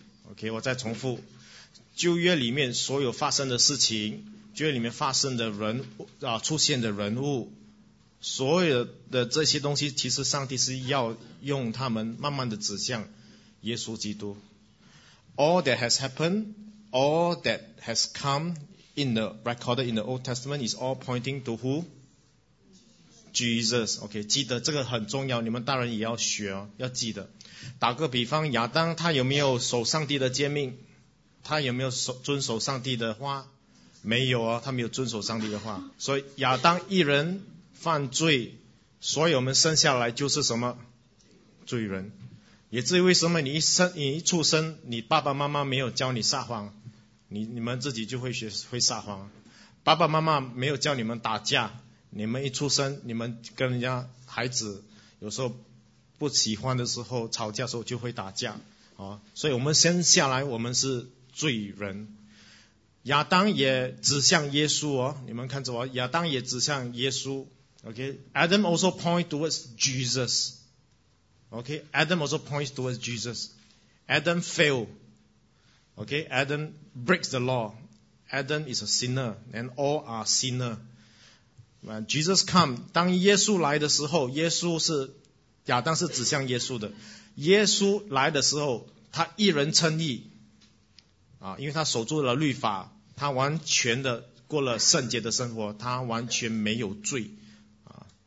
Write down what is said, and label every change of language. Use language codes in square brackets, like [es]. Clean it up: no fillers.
[zh] OK， 我再重复，旧约里面所有发生的事情，旧约里面发生的人啊，出现的人物，所有的这些东西，其实上帝是要用他们慢慢的指向耶稣基督。 [en] All that has happened, all that has come in the recorded in the Old Testament is all pointing to who? Jesus. [zh] OK， 记得这个很重要，你们大人也要学哦，要记得。打个比方，亚当他有没有守上帝的诫命？他有没有遵守上帝的话？没有哦，他没有遵守上帝的话。所以亚当一人犯罪，所以我们生下来就是什么？罪人。也至于为什么你一出生，你爸爸妈妈没有教你撒谎，你们自己就会学会撒谎。爸爸妈妈没有教你们打架，你们一出生，你们跟人家孩子有时候不喜欢的时候吵架的时候就会打架啊。所以我们生下来我们是罪人。亚当也指向耶稣哦，你们看着我，亚当也指向耶稣。 [en] OK， Adam also points towards Jesus。 Okay, Adam also points towards Jesus. Adam failed. Okay, Adam breaks the law. Adam is a sinner, and all are sinner. When Jesus come, [zh] 当耶稣来的时候，耶稣是亚当是指向耶稣的。耶稣来的时候，他一人称义啊，因为他守住了律法，他完全的过了圣洁的生活，他完全没有罪啊。